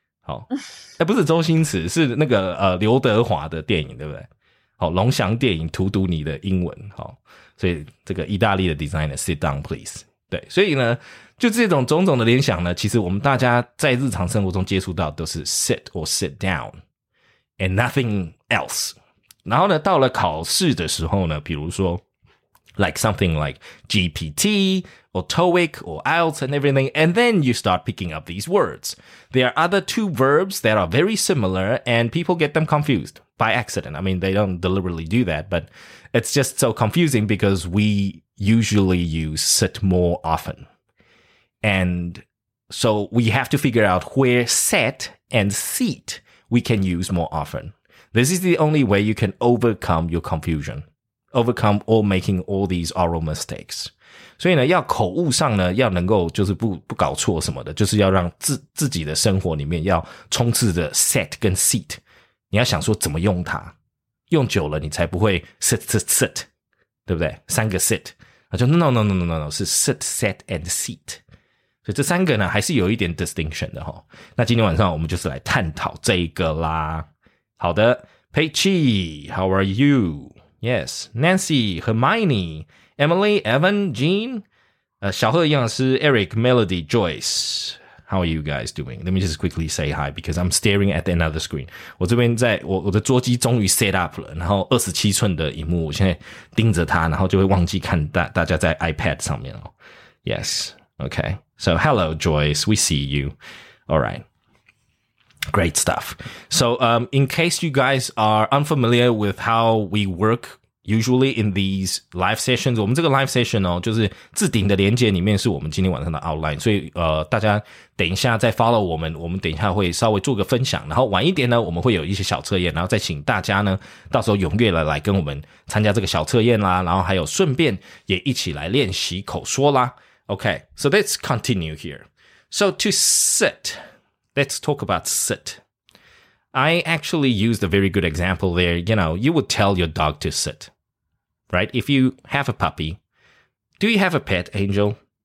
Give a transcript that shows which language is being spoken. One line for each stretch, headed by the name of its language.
Chinese: 好，不是周星驰，是那个刘德华的电影，对不对？好，龙翔电影荼毒你的英文，好，所以这个意大利的 designer
English: sit down please，
Chinese: 对，所以呢，就这种种种的联想呢，其实我们大家在日常生活中接触到都是
English: sit or sit down and nothing else。
Chinese: 然后呢，到了考试的时候呢，比如说
English: like something like GPT or TOEIC or IELTS and everything， and then you start picking up these words. There are other two verbs that are very similar and people get them confused. By accident. I mean, they don't deliberately do that, but it's just so confusing because we usually use sit more often. And so we have to figure out where set and seat we can use more often. This is the only way you can overcome your confusion, overcome all making all these oral mistakes.
Chinese: 所以呢，要口误上呢，要能够就是不搞错什么的，就是要让自己的生活里面要充斥着 set 跟 seat。你要想说怎么用它，用久了你才不会 sit sit sit， 对不对？三个 sit， 那就
English: no no no no no no
Chinese: 是
English: sit set and seat，
Chinese: 所以这三个呢还是有一点 distinction 的哈。那今天晚上我们就是来探讨这一个啦。
English: 好的 ，Paige， how are you？ Yes， Nancy， Hermione， Emily， Evan， Jean， 小贺营养师 Eric， Melody， Joyce。 How are you guys doing? Let me just quickly say hi because I'm staring at another screen.
Chinese: 我这边在我的桌机终于
English: set up
Chinese: 了，然后27寸的萤幕，我现在盯着它，然后就会忘记看大家在 iPad 上面哦。
English: Yes, okay. So hello, Joyce. We see you. All right. Great stuff. So, in case you guys are unfamiliar with how we work. Usually in these live sessions,
Chinese: 我们这个 live session 哦，就是置顶的连接里面是我们今天晚上的 outline， 所以大家等一下再 follow 我们等一下会稍微做个分享，然后晚一点呢，我们会有一些小测验，然后再请大家呢，到时候踊跃的来跟我们参加这个小测验啦，然后还有顺便也一起来练习口说啦。
English: Okay, so let's continue here. So to sit, let's talk about sit. I actually used a very good example there. You know, you would tell your dog to sit, right? If you have a puppy, do you have a pet, Angel?